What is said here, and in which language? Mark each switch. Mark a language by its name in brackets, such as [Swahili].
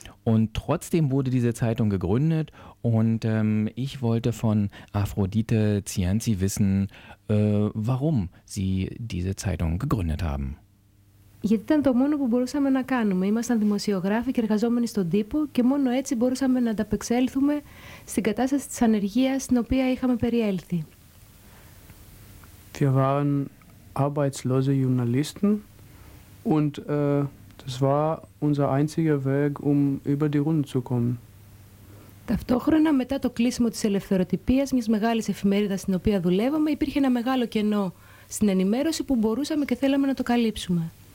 [German] Und trotzdem wurde diese Zeitung gegründet, und ich wollte von Aphrodite Tsiansi wissen, warum sie diese Zeitung gegründet haben. [Greek] Γιατί ήταν το μόνο που μπορούσαμε να κάνουμε. Ήμασταν δημοσιογράφοι και εργαζόμενοι στον τύπο και μόνο έτσι μπορούσαμε να ανταπεξέλθουμε στην κατάσταση της ανεργίας στην οποία είχαμε περιέλθει. [German] Wir waren arbeitslose Journalisten und das war unser einziger Weg, um über die Runden zu kommen. [Greek] Ταυτόχρονα, μετά το κλείσιμο της ελευθεροτυπίας, μιας μεγάλης εφημερίδας στην οποία δουλεύαμε, υπήρχε ένα μεγάλο κενό στην ενημέρωση που μπορούσαμε και θέλαμε να το καλύψουμε.